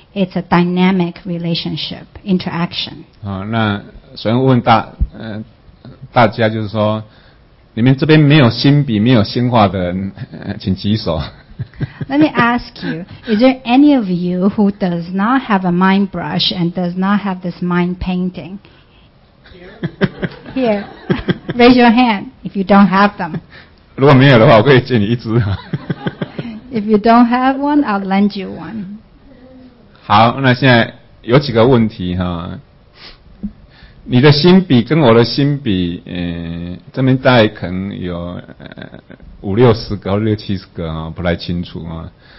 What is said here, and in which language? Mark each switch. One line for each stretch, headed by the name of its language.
English: It's a dynamic relationship, interaction.
Chinese: 好，那首先问大家就是说，你们这边没有心笔、没有心画的人，请举手。
English: Let me ask you, is there any of you who does not have a mind brush and does not have this mind painting? Here, raise your hand if you don't have them.
Chinese: 如果没有的话，我可以借你一支。
English: If you don't have one, I'll lend you one.
Chinese: 好，那现在有几个问题哈。你的心笔跟我的心笔，这边大概可能有五六十个或六七十个啊，不太清楚啊。